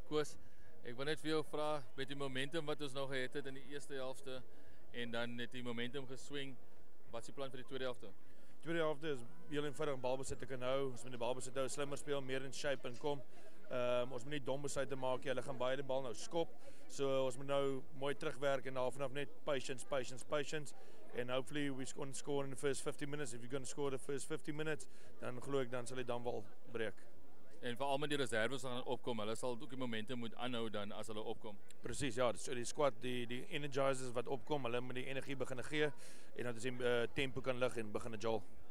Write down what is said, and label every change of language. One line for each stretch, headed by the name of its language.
Afrikaans: Koos, ek wil net vir jou vraag, met die momentum wat ons nou gehad het in die eerste helfte, en dan het die momentum geswing, wat is die plan vir die tweede helfte? Tweede helfte is heel eenvoudig om balbesit te kan hou. Ons moet die balbesit hou, slimmer speel, meer in shape en kom. Ons moet nie dom besluite maak, hulle gaan baie die bal nou skop. So ons moet nou mooi terugwerk en daar vanaf net patience.
English: And hopefully we can score in the first 50 minutes. If you're going to score the first 50 minutes,
Afrikaans: dan geloof ek, dan sal die dam wel breek. En veral met die reserves gaan opkom, hulle sal ook die momentum moet aanhou dan as hulle opkom. Precies, ja, so die squad, die energizers wat opkom, hulle moet die energie begin gee en dat die tempo kan lig en begin jol.